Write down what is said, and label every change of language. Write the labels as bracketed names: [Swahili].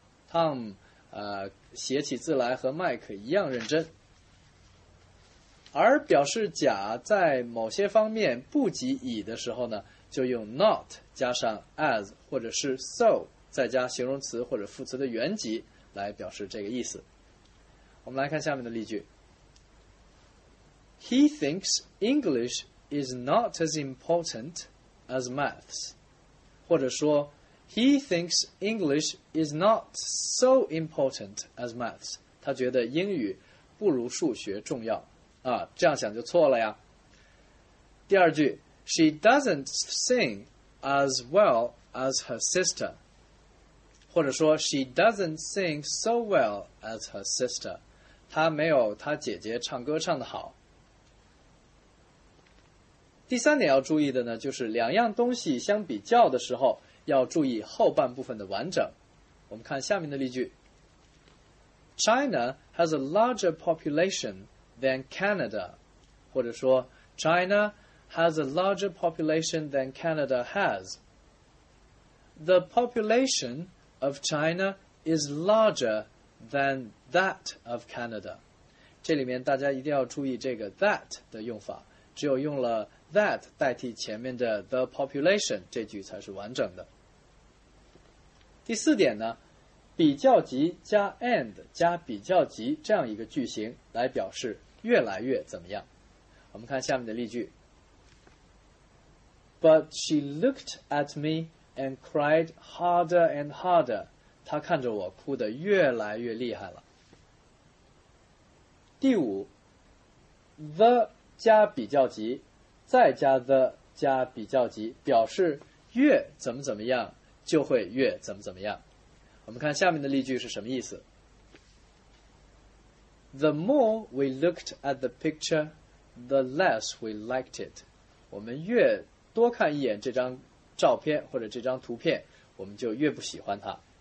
[Chinese] Tom 写起字来和 Mike 一样认真。而表示甲在某些方面不及乙的时候呢，就用 not 加上 as 或者是 so 再加形容词或者副词的原级来表示这个意思。我们来看下面的例句。 [English] He thinks English is not as important as maths. [Chinese] 或者说 [English] He thinks English is not so important as maths. [Chinese] 他觉得英语不如数学重要啊，这样想就错了呀。第二句 [English] She doesn't sing as well as her sister. [Chinese] 或者说 [English] She doesn't sing so well as her sister. [Chinese] 她没有她姐姐唱歌唱得好。第三点要注意的呢，就是两样东西相比较的时候要注意后半部分的完整。我们看下面的例句。 [English] China has a larger population than Canada, [Chinese] 或者说 [English] China has a larger population than Canada has. The population of China is larger than that of Canada. [Chinese] 这里面大家一定要注意这个 that 的用法，只有用了 that 代替前面的 the population, 这句才是完整的。第四点呢，比较级加 and 加比较级这样一个句型来表示越来越怎么样。我们看下面的例句。 [English] But she looked at me and cried harder and harder. [Chinese] 她看着我哭得越来越厉害了。第五， the 加比较级再加 the 加比较级，表示越怎么怎么样就会越怎么怎么样。我们看下面的例句是什么意思。 [English] The more we looked at the picture, the less we liked it. [Chinese] 我们越多看一眼这张照片或者这张图片，我们就越不喜欢它。